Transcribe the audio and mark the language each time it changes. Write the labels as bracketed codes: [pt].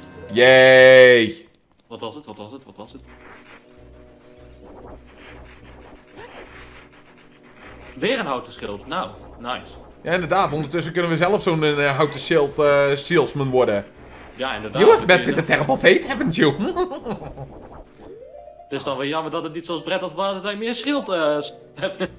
[nl] Yay. Wat was het? Weer een houten schild. Nou, nice. Ja, inderdaad. Ondertussen kunnen we zelf zo'n houten schild salesman worden. Ja, inderdaad. [en] You have met the terrible fate, haven't you? [nl] Het is dan wel jammer dat het niet zoals Brett had waar dat hij meer schild hebt.